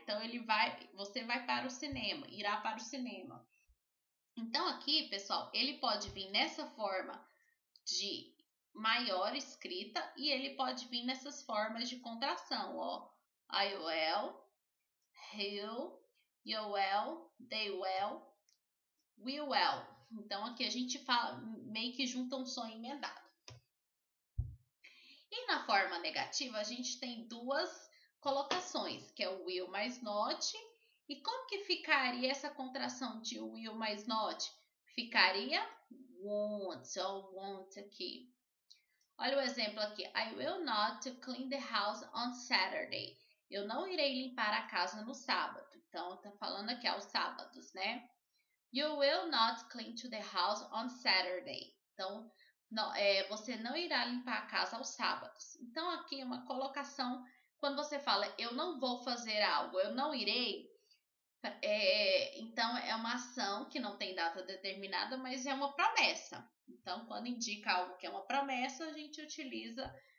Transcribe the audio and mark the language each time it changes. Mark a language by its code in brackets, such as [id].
[pt] Então, você vai para o cinema, irá para o cinema. Então, aqui, pessoal, ele pode vir nessa forma de maior escrita e ele pode vir nessas formas de contração, ó. [en] I will, he'll, you will, they will, we will. [pt] Então, aqui a gente fala, meio que junta um som emendado. E na forma negativa, a gente tem duas colocações, que é o will mais not. E como que ficaria essa contração de will mais not? Ficaria won't, ou won't aqui. Olha o exemplo aqui. [en] I will not clean the house on Saturday. [pt] Eu não irei limpar a casa no sábado. Então, tá falando aqui aos sábados, né? [en] You will not clean to the house on Saturday. [pt] Então, não, você não irá limpar a casa aos sábados. Então, aqui é uma colocação. Quando você fala, eu não vou fazer algo, eu não irei, então é uma ação que não tem data determinada, mas é uma promessa. Então, quando indica algo que é uma promessa, a gente utiliza.